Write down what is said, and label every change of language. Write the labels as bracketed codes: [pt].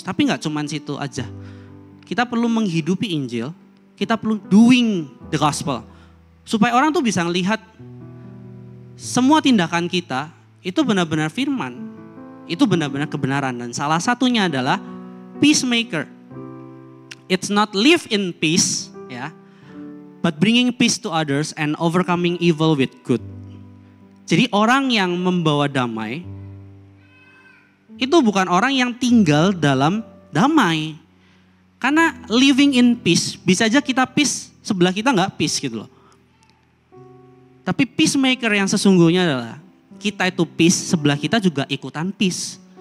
[id] Tapi gak cuma situ aja. Kita perlu menghidupi Injil, kita perlu [en] doing the gospel. [id] Supaya orang tuh bisa melihat semua tindakan kita itu benar-benar firman. Itu benar-benar kebenaran. Dan salah satunya adalah peacemaker. [en] It's not live in peace, ya, but bringing peace to others and overcoming evil with good. [id] Jadi orang yang membawa damai, itu bukan orang yang tinggal dalam damai. Karena [en] living in peace, [id] bisa aja kita peace, sebelah kita gak peace gitu loh. Tapi peacemaker yang sesungguhnya adalah, kita itu peace, sebelah kita juga ikutan peace.